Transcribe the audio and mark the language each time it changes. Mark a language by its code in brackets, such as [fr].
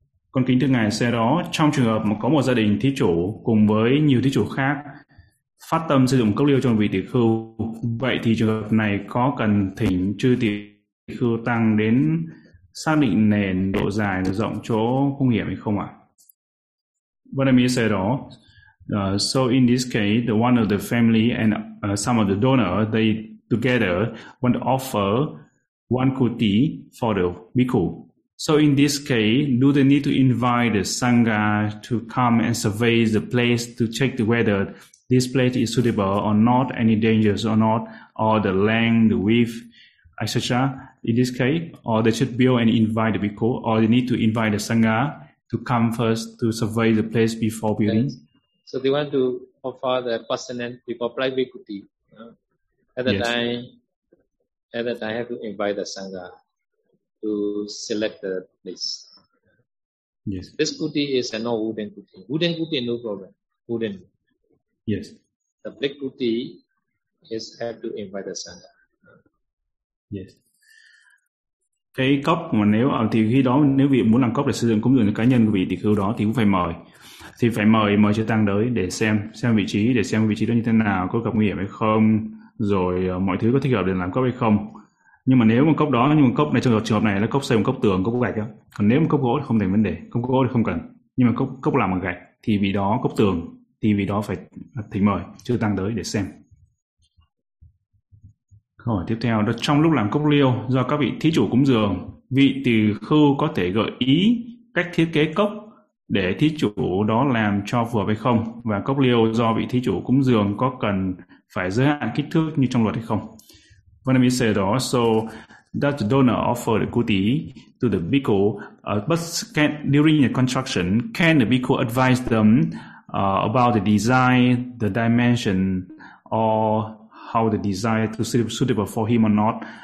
[vi] Con kính thưa ngài, sẽ đó, trong trường hợp mà có một gia đình thí chủ cùng với nhiều thí chủ khác phát tâm sử dụng cốc liêu cho vị tỳ khưu, vậy thì trường hợp này có cần thỉnh chư tỳ khưu tăng đến xác định nền độ dài độ rộng chỗ không hiểm hay không ạ? [en] What I mean is that so in this case, the one of the family and some of the donor, they together want to offer one kuti for the bhikkhu. So in this case, do they need to invite the sangha to come and survey the place to check the weather? This place is suitable or not, any dangers or not, or the length, the width, etc. In this case, or they should build and invite the bhikkhu, or they need to invite the sangha to come first to survey the place before building. Yes. So they want to offer the personal people private bhikkhu tea. At that time, I have to invite the sangha to select the place. Yes. This kuti is a no wooden kuti. Wooden kuti, no problem. Wooden. Yes. The big kuti is have to invite the sangha. Yes. [vi] Cái cốc mà nếu thì khi đó nếu vị muốn làm cốc để sử dụng cúng dường cá nhân của vị tỳ khưu đó thì cũng phải mời. Thì phải mời mời chư tăng tới để xem vị trí, để xem vị trí đó như thế nào, có gặp nguy hiểm hay không, rồi mọi thứ có thích hợp để làm cốc hay không. Nhưng mà nếu một cốc đó, nhưng mà cốc này trong trường hợp này là cốc xây, một cốc tường, cốc gạch đó. Còn nếu một cốc gỗ thì không thành vấn đề, cốc gỗ thì không cần. Nhưng mà cốc làm bằng gạch thì vì đó cốc tường thì vì đó phải thỉnh mời chư tăng tới để xem. Câu hỏi tiếp theo, đó, trong lúc làm cốc liêu do các vị thí chủ cúng dường, vị tỳ khưu có thể gợi ý cách thiết kế cốc để thí chủ đó làm cho phù hợp hay không? Và cốc liêu do vị thí chủ cúng dường có cần phải giới hạn kích thước như trong luật hay không? [en] When we say that, so that the donor offer the kuti to the bhikkhu, but can, during the construction, can the bhikkhu advise them about the design, the dimension, or how the design to suitable for him or not?